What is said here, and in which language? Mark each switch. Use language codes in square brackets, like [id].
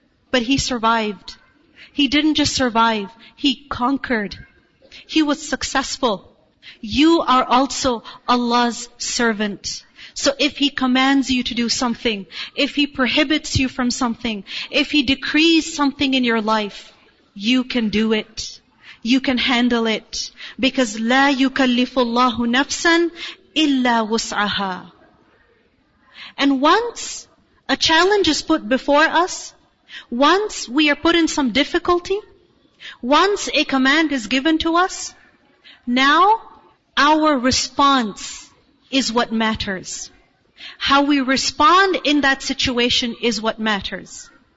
[en] But he survived. He didn't just survive, he conquered. He was successful. You are also Allah's servant. So if He commands you to do something, if He prohibits you from something, if He decrees something in your life, you can do it. You can handle it. Because [ar] لَا يُكَلِّفُ اللَّهُ نَفْسًا إِلَّا وُسْعَهَا. [en] And once a challenge is put before us, once we are put in some difficulty, once a command is given to us, now our response is what matters. How we respond in that situation is what matters.